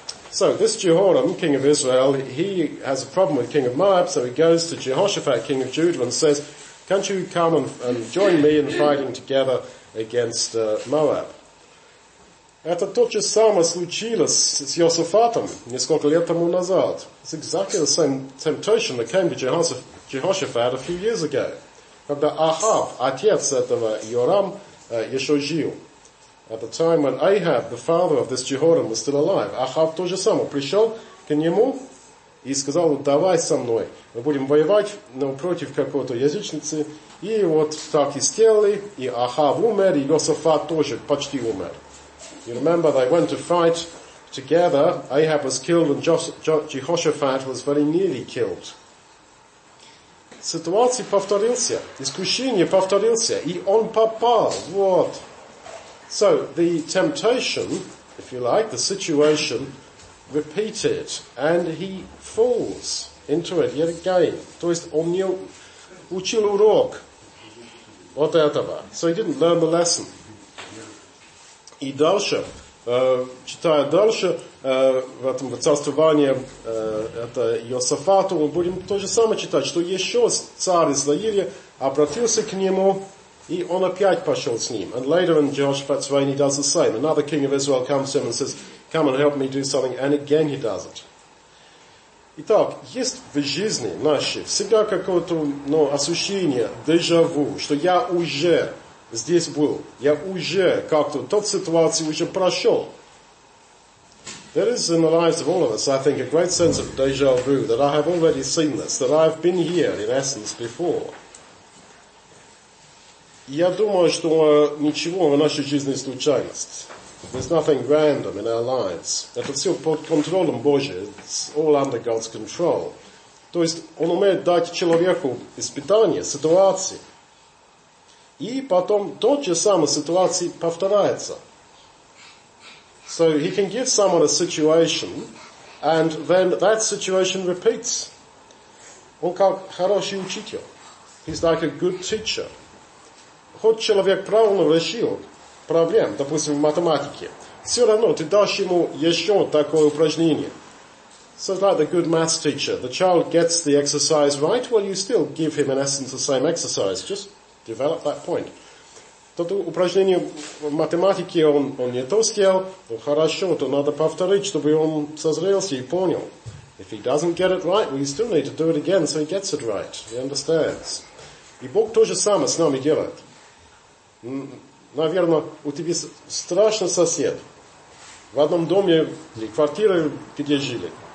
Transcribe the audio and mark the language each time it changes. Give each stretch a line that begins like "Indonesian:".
English: So this Jehoram, king of Israel, he has a problem with king of Moab, so he goes to Jehoshaphat, king of Judah, and says, can't you come and join me in fighting together against Moab?
Russian: Это то же самое случилось с Йосафатом несколько лет тому назад.
English: It's exactly the same temptation that came to Jehoshaphat a few years ago.
Russian: Когда Ахав, отец этого Йорам, еще жил.
English: At the time when Ahab, the father of this Jehoram, was still alive.
Russian: Ахав то же самое. Пришел к нему и сказал, давай со мной, мы будем воевать, но против какой-то язычницы. И вот так и сделали, и Ахав умер, и Йосафат тоже почти умер.
English: You remember, they went to fight together. Ahab was killed, and Jehoshaphat was very nearly killed.
Russian: Ситуация повторился, искушение повторился, и он попал, вот.
English: So, the temptation, if you like, the situation, repeated, and he falls. интроверт, я гей.
Russian: То есть он не учил урок от этого.
English: So he didn't learn the lesson.
Russian: И дальше, читая дальше, в этом царствовании, это Йосафату, мы будем то же самое читать, что еще царь Израиля обратился к нему, и он опять пошел с ним.
English: And later in Jehoshaphat's reign, he does the same. Another king of Israel comes to him and says, come and help me do something, and again he does it.
Russian: Итак, есть в жизни нашей всегда какое-то ощущение, дежавю, что я уже здесь был. Я уже как-то тот ситуацию уже прошел.
English: There is in the lives of all of us, I think, a great sense of deja vu, that I have already seen this, that I have been here, in essence, before.
Russian: Я думаю, что ничего в нашей жизни не случается.
English: There's nothing random in our lives.
Russian: Это все под контролем Божьим.
English: It's all under God's control.
Russian: То есть, он умеет дать человеку испытание, ситуации. И потом тот же самый ситуации повторяется.
English: So he can give someone a situation, and then that situation repeats.
Russian: Он как хороший учитель.
English: He's like a good teacher.
Russian: Хоть человек правильно решил проблем, допустим, в математике, все равно ты дашь ему еще такое упражнение.
English: So it's like the good math teacher. The child gets the exercise right, well, you still give him, in essence, the same exercise. Just develop that point.
Russian: Тот упражнение в математике он не то сделал, но хорошо, то надо повторить, чтобы он созрелся и понял.
English: If he doesn't get it right, well, you still need to do it again so he gets it right. He understands.
Russian: И Бог то же самое с нами делает. Наверное, у тебя страшный сосед в одном доме или квартире, где жили.